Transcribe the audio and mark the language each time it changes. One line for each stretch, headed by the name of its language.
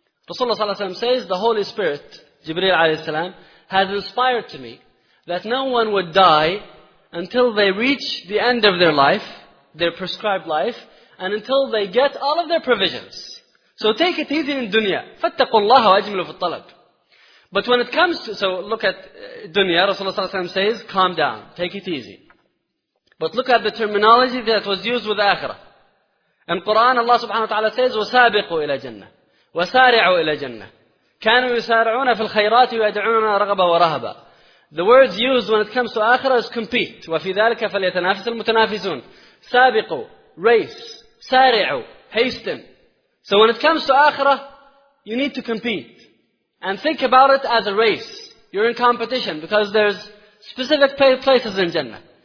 English: Rasulullah sallallahu alayhi wa sallam says, the Holy Spirit, Jibreel alayhi salam, has inspired to me that no one would die until they reach the end of their life, their prescribed life, and until they get all of their provisions. So take it easy in dunya.
Arabic: فَاتَّقُوا اللَّهَ وَأَجْمِنُوا فِي الطَّلَبِ.
English: But when it comes to, so look at dunya, Rasulullah says, calm down, take it easy. But look at the terminology that was used with akhirah. In Quran, Allah subhanahu wa ta'ala says,
Arabic: وَسَابِقُوا إِلَى جَنَّةٍ وَسَارِعُوا إِلَى جَنَّةٍ كَانُوا يُسَارِعُونَ فِي الْخَيْرَاتِ وَيَدْعُونَ رَغَبًا وَرَهَبًا.
English: The words used when it comes to akhirah is compete.
Arabic: وَفِي ذَلِكَ فَلْيَتَنَافِسَ الْمُتَنَافِسُونَ. سَابِقُوا,
English: race,
Arabic: سَارِعُوا,
English: hasten. So when it comes to akhirah, you need to compete. And think about it as a race. You're in competition because there's specific places in Jannah.